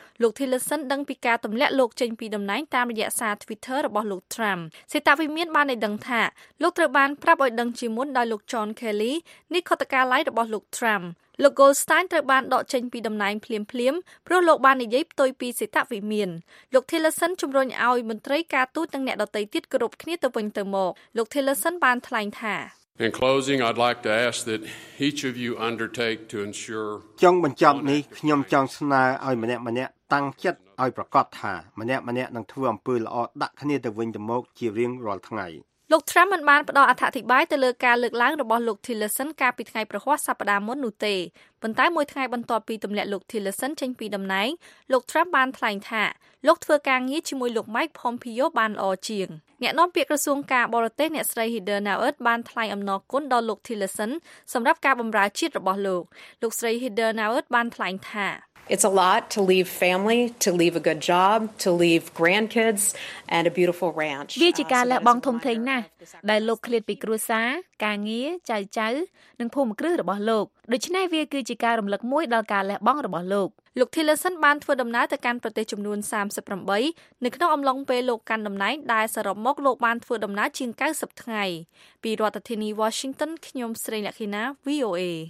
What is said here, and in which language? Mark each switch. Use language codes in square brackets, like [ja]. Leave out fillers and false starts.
[km] លោក Tillerson ដឹងពីការទម្លាក់លោកចេញពីដំណែងតាមរយៈសារ Twitter របស់លោក Trump សេតវិមានបានឲ្យដឹងថាលោកត្រូវបានប្រាប់ឲ្យដឹងជាមុនដោយលោក John Kelly នាយកតការឡាយរបស់លោក Trumpលោក Goldstein ត្រូវបានដកចេញពីដំណែងភ្លាមៗព្រោះលោកបាននិយាយផ្ទុយពីសេតវិមានលោក Tillerson ជំរុញឲ្យមន្ត្រីការទូតនិងអ្នកដទៃទៀតគ្រប់គ្នាទៅវិញទៅមកលោក Tillerson បានថ្លែងថា [en] In closing I'd like to ask that each of you undertake to ensure [km] ចង់បញ្ចប់នេះខ្ញុំចង់ស្នើឲ្យម្នាក់ៗតាំងចិត្តឲ្យប្រកាសថាម្នាក់ៗនឹងធ្វើអំពើល្អដាក់គ្នាទៅវិញទៅមកជារៀងរាល់ថ្ងៃ លោក Trump មិនបានផ្ដល់អត្ថាធិប្បាយទៅលើការលើកឡើងរបស់លោក Tillerson កាលពីថ្ងៃប្រហោះសប្ដាហ៍មុននោះទេប៉ុន្តែមួយថ្ងៃបន្ទាប់ពីទម្លាក់លោក Tillerson ចេញពីដំណែងលោក Trump បានថ្លែងថាលោកធ្វើការងារជាមួយលោក Mike Pompeo បានល្អជាងអ្នកនាំពាក្យក្រសួងការបរទេសអ្នកស្រី Heather Nauert បានថ្លែងអំណរគុណដល់លោក Tillerson សម្រាប់ការបម្រើជាតិរបស់លោកលោកស្រី Heather Nauert បានថ្លែងថា [en] It's a lot to leave family, to leave a good job, to leave grandkids and a beautiful ranch. [km] វាជាការលះបង់ធំធេងណាស់ដែលលោកឃ្លាតពីគ្រួសារការងារចៅចៅនិងភូមិគ្រឹះរបស់លោកដូច្នេះវាគឺជាការរំលឹកមួយដល់ការលះបង់របស់លោក លោក Tillerson បានធ្វើដំណើរទៅកាន់ប្រទេសចំនួន38នៅក្នុងអំឡុងពេលលោកកាន់តំណែងដែលសរុបមកលោកបានធ្វើដំណើរជាង90ថ្ងៃពីរដ្ឋធានី Washington ខ្ញុំស្រីលក្ខិណា VOA